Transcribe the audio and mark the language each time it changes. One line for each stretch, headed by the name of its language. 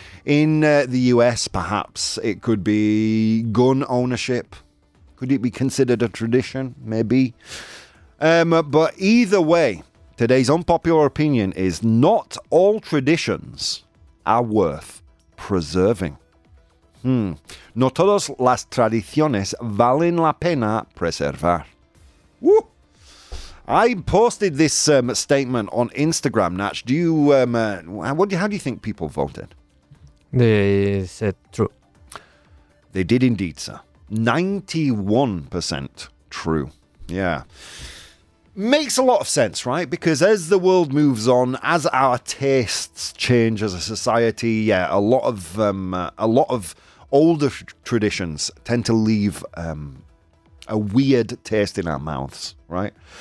English: In the US, perhaps, it could be gun ownership. Could it be considered a tradition? Maybe. But either way, today's unpopular opinion is not all traditions are worth preserving.
Spanish: No todas las tradiciones valen la pena preservar. Woo!
English: I posted this statement on Instagram, Natch. Do you how do you think people voted? They said true. They did indeed, sir. 91% true. Yeah. Makes a lot of sense, right? Because as the world moves on, as our tastes change as a society, yeah, a lot of older traditions tend to leave a weird taste in our mouths, right?